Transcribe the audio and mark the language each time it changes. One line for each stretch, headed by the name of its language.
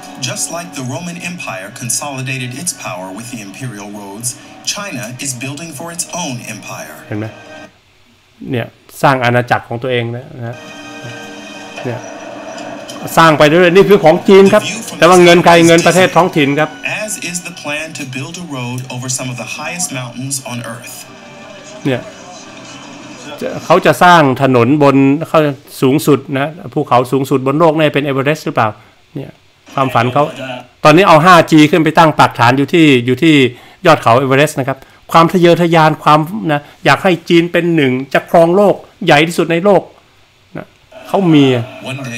English: Just like the Roman Empire consolidated its power with the imperial roads, China is building for its own empire.
Thai: เห็นไหมเนี่ยสร้างอาณาจักรของตัวเองนะฮะเนี่ยสร้างไปเรื่อยนี่คือของจีนครับแต่ว่าเงินใครเงินประเทศท้องถิ่นครับ
English: As is the plan to build a road over some of the highest mountains on earth.
Thai: เนี่ยเขาจะสร้างถนนบนเขาสูงสุดนะภูเขาสูงสุดบนโลกเนี่ยเป็นเอเวอเรสต์หรือเปล่าเนี่ยความฝันเขาตอนนี้เอา 5G ขึ้นไปตั้งปักฐานอยู่ที่ยอดเขาเอเวอเรสต์นะครับความทะเยอทะยานความนะอยากให้จีนเป็นหนึ่งจะครองโลกใหญ่ที่สุดในโลกนะเขามีว